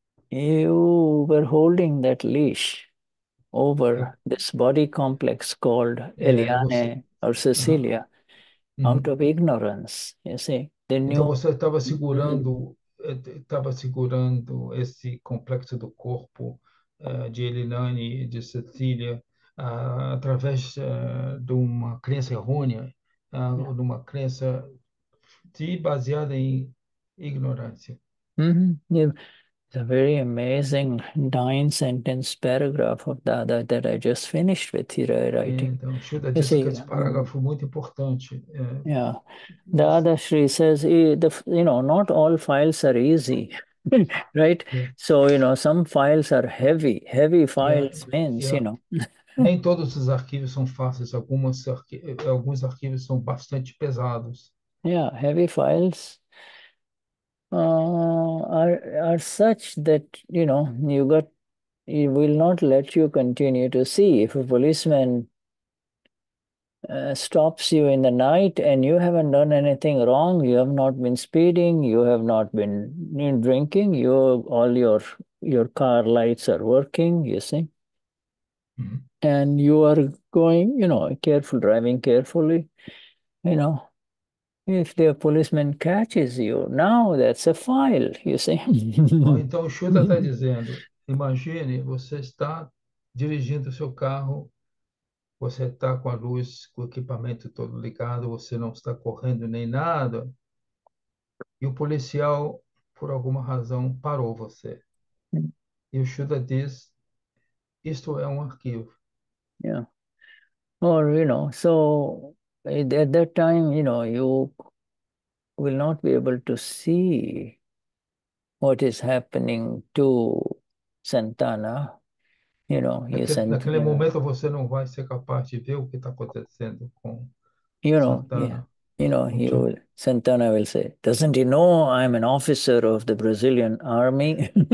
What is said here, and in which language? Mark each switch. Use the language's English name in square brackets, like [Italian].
[English] You were holding that leash over this body complex called Eliane or Cecilia out of ignorance. You see? [Portuguese] Então você estava segurando esse complexo do corpo de Elinane e de Cecília através de uma crença errônea, de uma crença baseada em ignorância. [English] It's a very amazing 9-sentence paragraph of Dada that I just finished with here writing. [Portuguese] Então, Shuddha disse que esse parágrafo é muito importante. [English] Dada Shri says, you know, not all files are easy, right? So, you know, some files are heavy. Heavy files means, you know. [Portuguese] Nem todos os arquivos são fáceis. Alguns arquivos são bastante pesados. [English] Yeah, heavy files are such that, you know, you got It will not let you continue to see. If a policeman stops you in the night and you haven't done anything wrong, you have not been speeding, you have not been drinking, all your car lights are working, you see. And you are going, careful, driving carefully, If the policeman catches you, now that's a file, you see. [Portuguese] Bom, então o Shuta está dizendo, imagine você está dirigindo o seu carro, você está com a luz, com o equipamento todo ligado, você não está correndo nem nada, e o policial, por alguma razão, parou você. E o Shuta diz, isto é um arquivo. [English] Yeah. Or, so at that time, you will not be able to see what is happening to Santana, [Portuguese] Naquele momento você não vai ser capaz de ver o que está acontecendo com Santana. [English] Santana will say, doesn't he know I'm an officer of the Brazilian army?